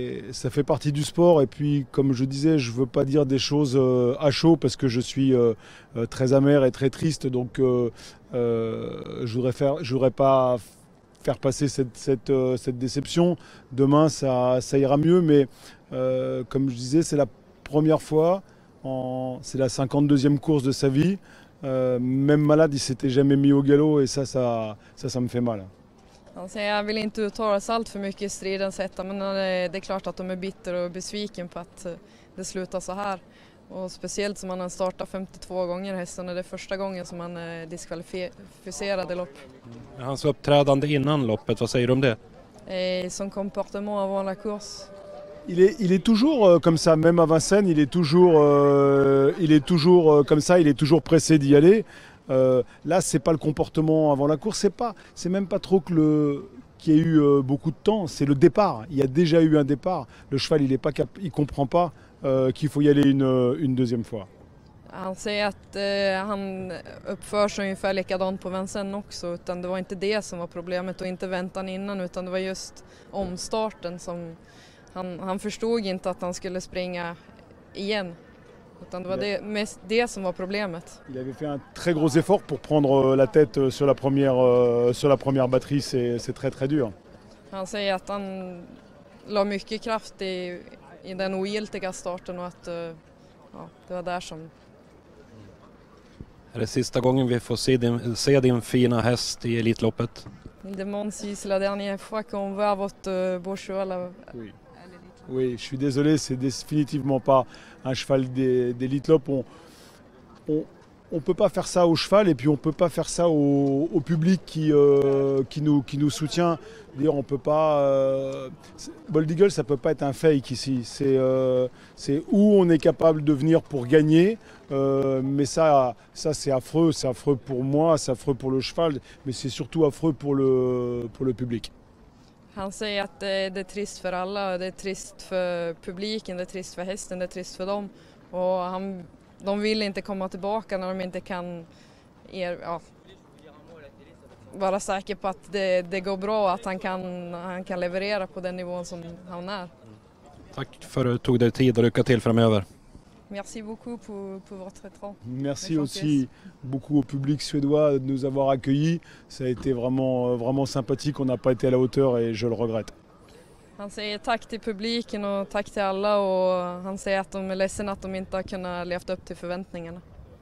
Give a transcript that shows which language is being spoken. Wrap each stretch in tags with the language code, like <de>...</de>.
<fr>Ça fait partie du sport et puis comme je disais, je veux pas dire des choses à chaud parce que je suis très amer et très triste, donc je voudrais pas faire passer cette déception. Demain ça ira mieux, mais comme je disais, c'est la première fois, c'est la 52e course de sa vie. Même malade, il s'était jamais mis au galop et ça me fait mal.</fr> <sv>Jag vill inte uttala sig allt för mycket i stridens hetta, men det är klart att de är bitter och besviken på att det slutar så här. Och speciellt som han har startat 52 gånger hästen, är det första gången som han är diskvalificerad i lopp. Hans uppträdande innan loppet, vad säger du om det?</sv> <fr>Son comportement avant la course. Il est toujours comme ça, même à Vincennes, il est toujours comme ça, il est toujours pressé d'y aller. Là, c'est pas le comportement avant la course, c'est même pas trop qu'il y ait eu beaucoup de temps, c'est le départ. Il y a déjà eu un départ. Le cheval, il comprend pas qu'il faut y aller une deuxième fois.</fr> <sv>Han säger att han uppför sig ungefär likadant på Vincennes också, utan det var inte det som var problemet och inte väntan innan, utan det var just omstarten som han förstod inte att han skulle springa igen. Utan det var det som var problemet.</sv> <fr>Il avait fait un très gros effort pour prendre la tête sur la première batterie, c'est très très dur.</fr> <sv>Han säger att han la mycket kraft i den ogiltiga starten och att ja, det var där som... Är det sista gången vi får se din fina häst i Elitloppet? Det måns ju så den är fuck on va votre bourgeois là.</sv> <fr>Oui, je suis désolé, c'est définitivement pas un cheval d'Elitloppe. On peut pas faire ça au cheval et puis on peut pas faire ça au public qui nous soutient. Dire on peut pas Bald Eagle, ça peut pas être un fake ici. C'est où on est capable de venir pour gagner, mais ça c'est affreux pour moi, c'est affreux pour le cheval, mais c'est surtout affreux pour le public.</fr> <sv>Han säger att det är trist för alla, det är trist för publiken, det är trist för hästen, det är trist för dem. Och de vill inte komma tillbaka när de inte kan vara säker på att det går bra och att han kan leverera på den nivån som han är. Tack för att du tog dig tid och lycka till framöver.</sv> <fr>Merci beaucoup pour votre temps. Merci aussi beaucoup au public suédois de nous avoir accueillis. Ça a été vraiment vraiment sympathique. On n'a pas été à la hauteur et je le regrette.</fr> <sv>Han säger tack till publiken och tack till alla, och han säger att de är ledsen att de inte har kunnat leva upp till förväntningarna.</sv>